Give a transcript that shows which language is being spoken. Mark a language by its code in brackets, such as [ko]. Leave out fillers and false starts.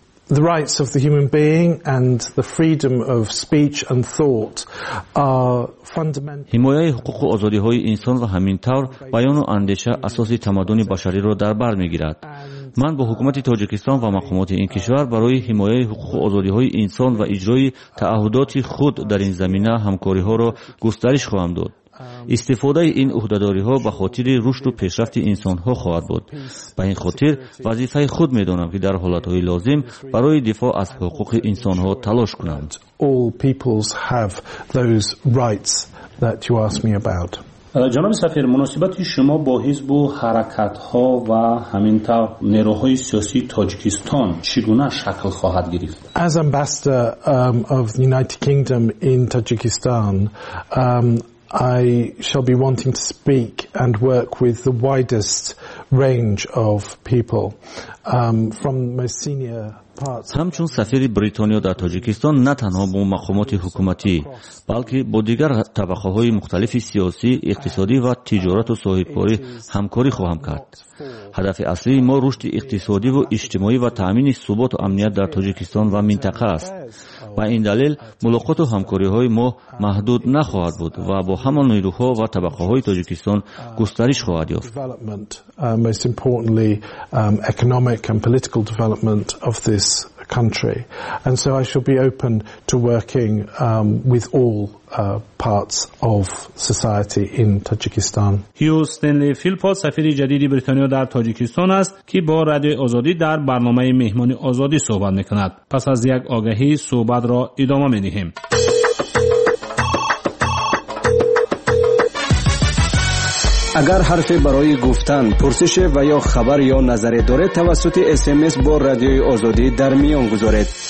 [en] The rights of the human being and the freedom of speech and thought are fundamental. [fa] حمایت حقوق و آزادی‌های انسان و همینطور بیان و اندیشه اساسی تمدن بشری را در بر می‌گیرد. من با حکومت تاجیکستان و مقامات این کشور برای حمایت حقوق و آزادی‌های انسان و اجرای تعهدات خود در این زمینه همکاری‌ها را گسترش خواهم داد. استفاده این عهده‌داری‌ها به خاطر رشد و پیشرفت انسان‌ها خواهد بود. به این خاطر وظیفه خود می‌دانم که در حالت‌های لازم برای دفاع از حقوق انسان‌ها تلاش کنم. [en] All peoples have those rights that you asked me about. [fa] جناب سفیر، مناسبت شما با حزب و حرکت ها و همین تا نیروهای سیاسی تاجیکستان چگونه شکل خواهد گرفت؟ [en] As ambassador of the United Kingdom in Tajikistan, I shall be wanting to speak and work with the widest range of people from most senior [fa] همچون سفیر بریتانیا در تاجیکستان، نه تنها با مقامات حکومتی بلکه با دیگر طبقه های مختلف سیاسی، اقتصادی و تجارت و صاحبکاری همکاری خواهم کرد. هدف اصلی ما رشد اقتصادی و اجتماعی و تامین ثبات و امنیت در تاجیکستان و منطقه است. با این دلیل ملاقات و همکاری های ما محدود نخواهد بود و با همان نیروها و طبقه های تاجیکستان گسترش خواهد یافت. [en] Most importantly, economic and political development of this country. And so I shall be open to working with all parts of society in Tajikistan. [fa] هیو استنلی فیلپوت سفیر جدید بریتانیا در تاجیکستان است که با رادیو آزادی در برنامه مهمان آزادی صحبت میکند. پس از یک آگهی صحبت را ادامه میدهیم. اگر حرفی برای گفتن، پرسش و یا خبر یا نظری دارید، توسط SMS با رادیوی آزادی در میان گذارید.